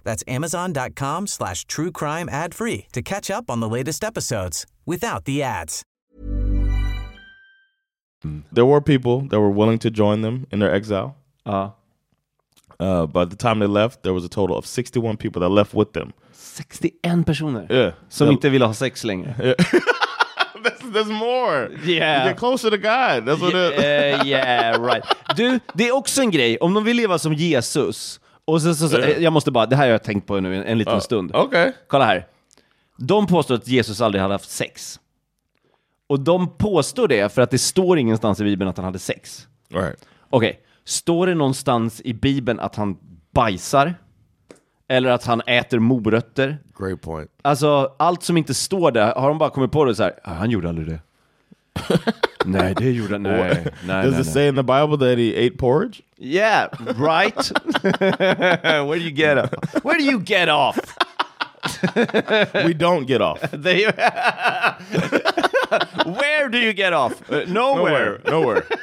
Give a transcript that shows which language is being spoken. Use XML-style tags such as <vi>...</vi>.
<en>That's amazon.com/truecrimeadfree to catch up on the latest episodes without the ads. There were people that were willing to join them in their exile. By the time they left, there was a total of 61 people that left with them.</en> <sv>61 personer?</sv> <en>Yeah.</en> <sv>Som inte ville ha sex längre.</sv> <en>Yeah. There's more. Yeah. You get closer to God. That's what it is.</en> <sv>Right. Du, det är också en grej. Om de vill leva som Jesus. Och så, jag måste bara, det här har jag tänkt på nu en liten stund. Okej. Okay. Kolla här. De påstår att Jesus aldrig hade haft sex. Och de påstår det för att det står ingenstans i Bibeln att han hade sex.</sv> <en>Right.</en> <sv>Okej. Okay. Står det någonstans i Bibeln att han bajsar? Eller att han äter morötter?</sv> <en>Great point.</en> <sv>Alltså, allt som inte står där, har de bara kommit på det så här, han gjorde aldrig det. Nej, det gjorde han. Nej. Nej.</sv> <en>Does it say in the Bible that he ate porridge? Yeah, right. Where do you get off? Where do you get off? We don't get off. Where do you get off? Nowhere.</en>